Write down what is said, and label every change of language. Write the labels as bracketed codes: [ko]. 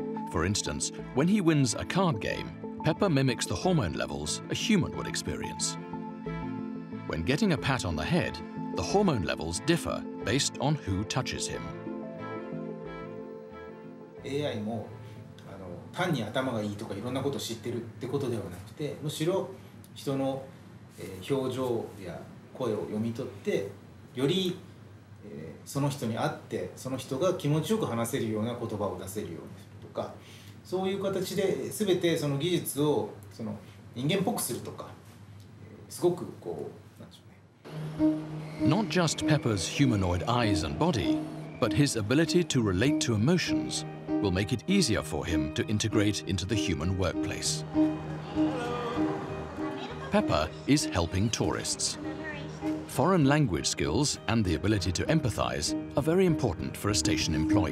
[en] For instance, when he wins a card game, Pepper mimics the hormone levels a human would experience. When getting a pat on the head, the hormone levels differ based on who touches him. [ja] AI も単に頭がいいとかいろんなことを知ってるってことではなくて、むしろ人の表情や声を読み取って、よりその人に会ってその人が気持ちよく話せるような言葉を出せるようにするとか、そういう形で全てその技術をその人間っぽくするとか、すごくこう、なんでしょうね。 [en] Not just Pepper's humanoid eyes and body, but his ability to relate to emotions. Will make it easier for him to integrate into the human workplace. Pepper is helping tourists. Foreign language skills and the ability to empathize are very important for a station employee.